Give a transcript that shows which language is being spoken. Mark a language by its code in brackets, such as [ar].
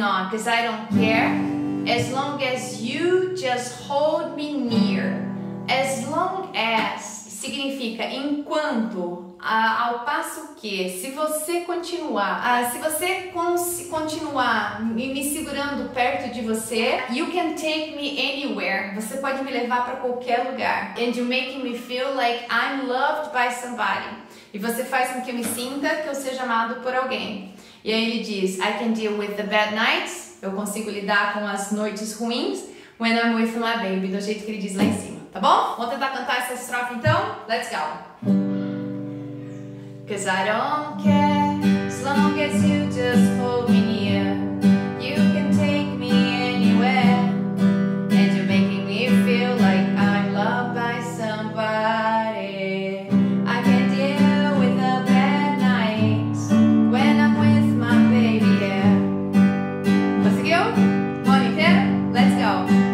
[en] Cause I don't care as long as you just hold me near. [pt] As long as significa enquanto, ao passo que, se você continuar, se você continuar me segurando perto de você, [en] you can take me anywhere. [pt] Você pode me levar para qualquer lugar. [en] And you're making me feel like I'm loved by somebody. [pt] E você faz com que eu me sinta que eu seja amado por alguém. E aí ele diz, [en] I can deal with the bad nights, [pt] eu consigo lidar com as noites ruins, [en] when I'm with my baby, [pt] do jeito que ele diz lá em cima, tá bom? Vamos tentar cantar essa estrofe então? [en] Let's go! Cause I don't care as long as you just hold me near. You can take me anywhere, and you're making me feel like I'm loved by somebody. I can deal with a bad night when I'm with my baby, yeah. [pt] Conseguiu? Vamos inteiro? [en] Let's go!